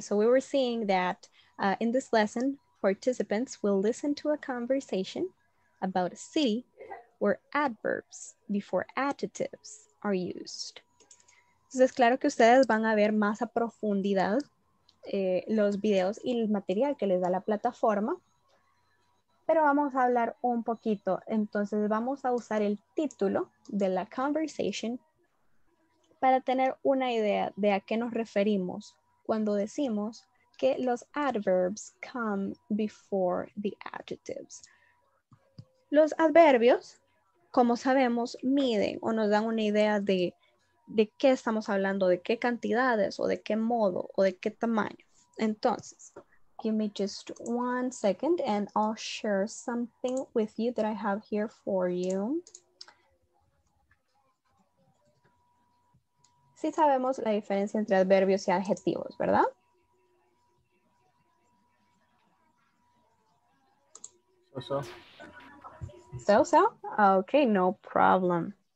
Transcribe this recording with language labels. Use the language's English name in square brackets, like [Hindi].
[English] So we were seeing that in this lesson, participants will listen to a conversation about a city where adverbs before adjectives are used. [Spanish] Entonces, claro que ustedes van a ver más a profundidad los videos y el material que les da la plataforma, pero vamos a hablar un poquito. Entonces, vamos a usar el título de la conversation para tener una idea de a qué nos referimos cuando decimos que los [English] adverbs come before the adjectives. [Spanish] Los adverbios, como sabemos, miden o nos dan una idea de qué estamos hablando, de qué cantidades o de qué modo o de qué tamaño. [English] Entonces, give me just one second and I'll share something with you that I have here for you. [Spanish] Sí sabemos la diferencia entre adverbios y adjetivos, ¿verdad? Eso. [English] So? Okay, no problem.